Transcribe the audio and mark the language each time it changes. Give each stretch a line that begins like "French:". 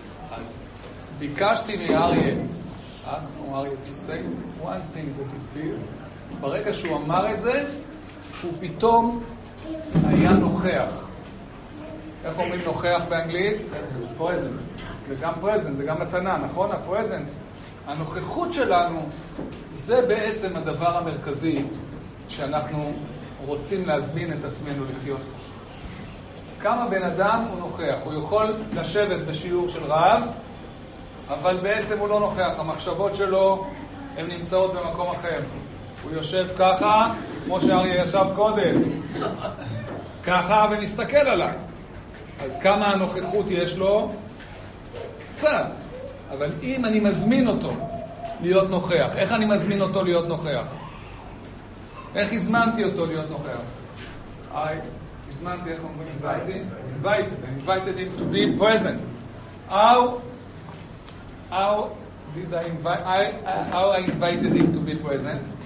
Hebrew: אז ביקשתי מאריה, אסנו אריה
English: to say one thing that he feel.
Hebrew: ברגע שהוא אמר את זה, הוא פתאום היה נוכח. איך אומרים נוכח באנגלית?
English: Present.
Hebrew: זה גם present, זה גם מתנה, נכון? ה-present. הנוכחות שלנו, זה בעצם הדבר המרכזי שאנחנו רוצים להזמין את עצמנו לחיות. כמה בן אדם הוא נוכח, הוא יכול לשבת בשיעור של רעב, אבל בעצם הוא לא נוכח, המחשבות שלו הן נמצאות במקום אחר. הוא יושב ככה, כמו שאריה ישב קודם, ככה ומסתכל עליי. אז כמה הנוכחות יש לו? קצת. אבל אם אני מזמין אותו להיות נוכח, איך אני מזמין אותו להיות נוכח? איך הזמנתי אותו להיות נוכח? היי. הזמנתי, איך אומרים, הזמנתי?
English: Invited him to be present. How I invited him to be present?